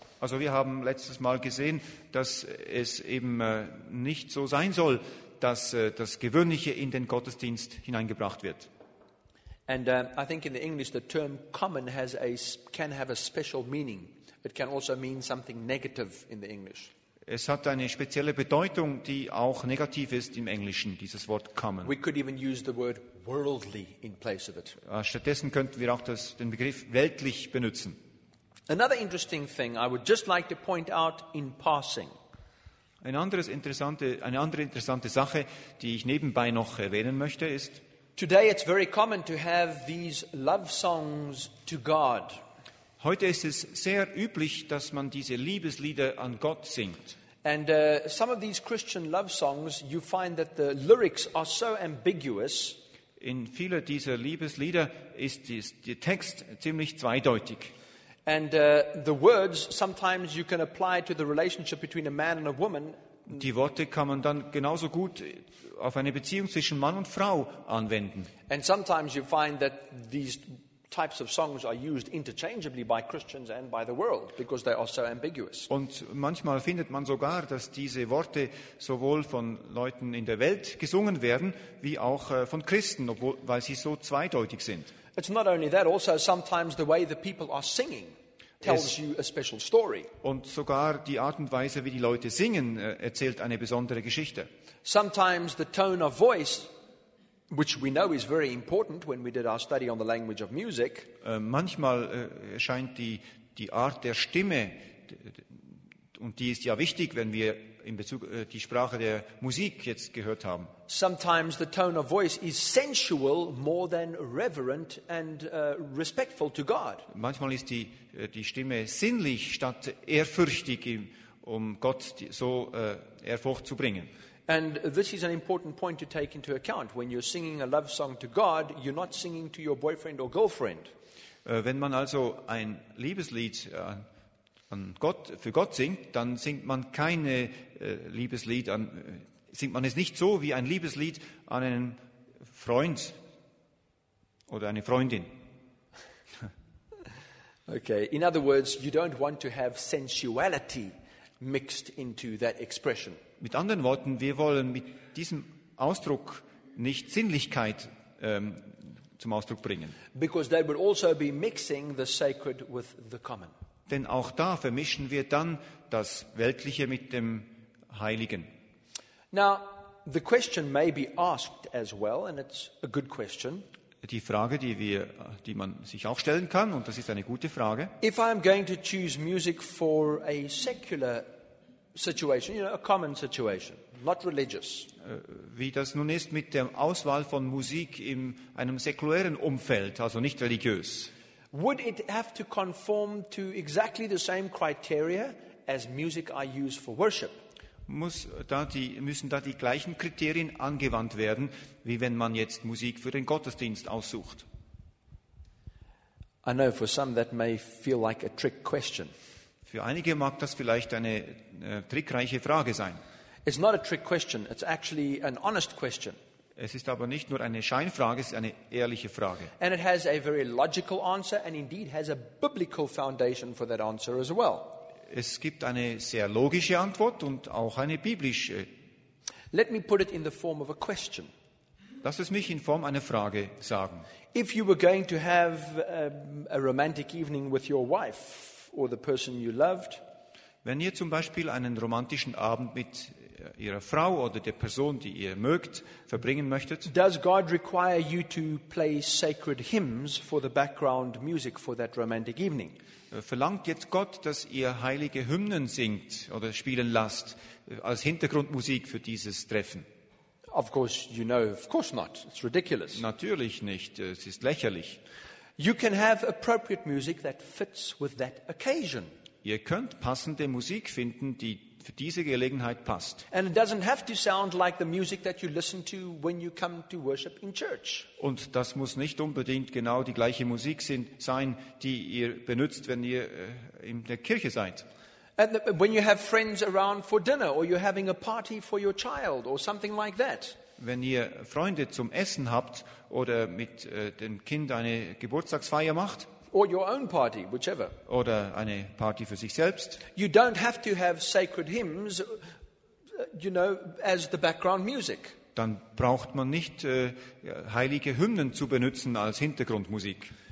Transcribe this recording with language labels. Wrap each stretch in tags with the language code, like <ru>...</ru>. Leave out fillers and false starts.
<de>Also wir haben letztes Mal gesehen, dass es eben nicht so sein soll, dass das Gewöhnliche in den Gottesdienst hineingebracht wird.</de> <en>And I think in the English the term common can have a special meaning. It can also mean something negative in the English.</en> <de>Es hat eine spezielle Bedeutung, die auch negativ ist im Englischen, dieses Wort kommen.</de> <en>We could even use the word worldly in place of it.</en> <de>Stattdessen könnten wir auch den Begriff weltlich benutzen.</de> <en>Another interesting thing I would just like to point out in passing.</en> <de>Eine andere interessante Sache, die ich nebenbei noch erwähnen möchte, ist:</de> <en>Today it's very common to have these love songs to God.</en> <de>Heute ist es sehr üblich, dass man diese Liebeslieder an Gott singt.</de> <en>And some of these Christian love songs, you find that the lyrics are so ambiguous.</en> <de>In viele dieser Liebeslieder ist der Text ziemlich zweideutig.</de> <en>And the words sometimes you can apply to the relationship between a man and a woman.</en> <de>Die Worte kann man dann genauso gut auf eine Beziehung zwischen Mann und Frau anwenden.</de> <en>And sometimes you find that these types of songs are used interchangeably by Christians and by the world because they are so ambiguous.</en> <de>Und manchmal findet man sogar, dass diese Worte sowohl von Leuten in der Welt gesungen werden, wie auch von Christen, weil sie so zweideutig sind.</de> <en>It's not only that, also sometimes the way the people are singing tells you a special story.</en> <de>Und sogar die Art und Weise, wie die Leute singen, erzählt eine besondere Geschichte.</de> <en>Sometimes the tone of voice, which we know is very important when we did our study on the language of music.</en> <de>Manchmal erscheint die Art der Stimme, und die ist ja wichtig, wenn wir in Bezug die Sprache der Musik jetzt gehört haben.</de> <en>Sometimes the tone of voice is sensual more than reverent and respectful to God.</en> <de>Manchmal ist die Stimme sinnlich statt ehrfürchtig, um Gott so Ehrfurcht zu bringen.</de> <en>And this is an important point to take into account. When you're singing a love song to God, you're not singing to your boyfriend or girlfriend.</en> <de>Wenn man also ein Liebeslied für Gott singt, dann singt man keine Liebeslied an, singt man es nicht so wie ein Liebeslied an einen Freund oder eine Freundin.</de> <en>Okay, in other words, you don't want to have sensuality mixed into that expression.</en> <de>Mit anderen Worten, wir wollen mit diesem Ausdruck nicht Sinnlichkeit zum Ausdruck bringen.</de> <en>Because they would also be mixing the sacred with the common.</en> <de>Denn auch da vermischen wir dann das Weltliche mit dem Heiligen.</de> <en>Now, the question may be asked as well, and it's a good question.</en> <de>Die Frage, die man sich auch stellen kann, und das ist eine gute Frage.</de> <en>If I am going to choose music for a secular situation, you know, a common situation, not religious.</en> <de>Wie das nun ist mit der Auswahl von Musik in einem säkulären Umfeld, also nicht religiös.</de> <en>Would it have to conform to exactly the same criteria as music I use for worship?</en> <de>Müssen da die gleichen Kriterien angewandt werden, wie wenn man jetzt Musik für den Gottesdienst aussucht?</de> <en>I know for some that may feel like a trick question.</en> <de>Für einige mag das vielleicht eine trickreiche Frage sein.</de> <en>It's not a trick question, it's actually an honest question.</en> <de>Es ist aber nicht nur eine Scheinfrage, es ist eine ehrliche Frage.</de> <en>And it has a very logical answer and indeed has a biblical foundation for that answer as well.</en> <de>Es gibt eine sehr logische Antwort und auch eine biblische.</de> <en>Let me put it in the form of a question.</en> <de>Lass es mich in Form einer Frage sagen.</de> <en>If you were going to have a romantic evening with your wife or the person you loved.</en> <de>Wenn ihr zum Beispiel einen romantischen Abend mit ihrer Frau oder der Person, die ihr mögt, verbringen möchtet.</de> <en>Does God require you to play sacred hymns for the background music for that romantic evening?</en> <de>Verlangt jetzt Gott, dass ihr heilige Hymnen singt oder spielen lasst als Hintergrundmusik für dieses Treffen?</de> <en>Of course, you know, of course not. It's ridiculous.</en> <de>Natürlich nicht. Es ist lächerlich.</de> <en>You can have appropriate music that fits with that occasion.</en> <de>Ihr könnt passende Musik finden, die für diese Gelegenheit passt.</de> <en>And it doesn't have to sound like the music that you listen to when you come to worship in church.</en> <de>Und das muss nicht unbedingt genau die gleiche Musik sein, die ihr benutzt, wenn ihr in der Kirche seid.</de> <en>And when you have friends around for dinner or you're having a party for your child or something like that.</en> <de>Wenn ihr Freunde zum Essen habt oder mit dem Kind eine Geburtstagsfeier macht,</de> <en>or your own party, whichever,</en> <de>oder eine Party für sich selbst,</de> <en>you don't have to have sacred hymns, you know, as the background music.</en> <de>Dann braucht man nicht heilige Hymnen zu benutzen als Hintergrundmusik.</de>